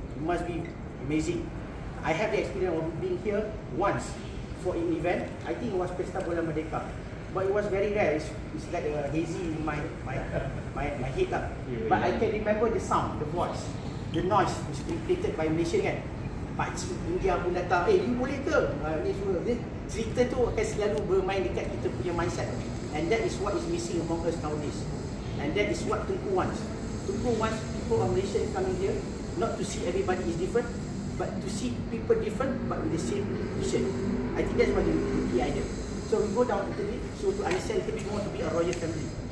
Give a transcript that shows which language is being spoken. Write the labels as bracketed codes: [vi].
[en] It must be amazing. I have the experience of being here once for an event. I think it was Pesta Bola Merdeka. But it was very rare. It's like hazy in my head lah. But I can remember the sound, the voice, the noise was created by Malaysian kan. [ms] Pakcik India pun datang, you boleh ke? Ni semua. Cerita tu akan selalu bermain dekat kita punya mindset. [en] And that is what is missing among us nowadays. And that is what Tunku wants. Tunku wants people of Malaysia coming here, not to see everybody is different, but to see people different but with the same vision. I think that's what the key idea. So we go down a little bit, so to understand a little bit more to be a royal family.